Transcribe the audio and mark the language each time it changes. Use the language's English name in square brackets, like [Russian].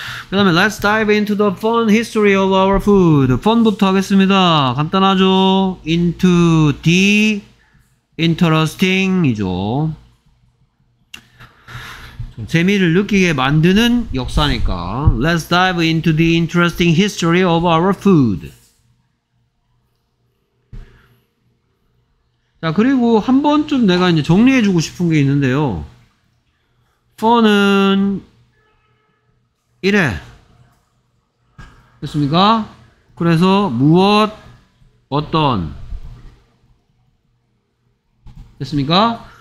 [Korean] 그 다음에 [English] Let's dive into the fun history of our food. [Korean] fun부터 하겠습니다. 간단하죠? [English] into the interesting [Korean] 이죠. 재미를 느끼게 만드는 역사니까. [English] Let's dive into the interesting history of our food. [Korean] 자, 그리고 한 번쯤 내가 이제 정리해주고 싶은 게 있는데요. fun은 이래. 됐습니까? 그래서 무엇, 어떤 됐습니까?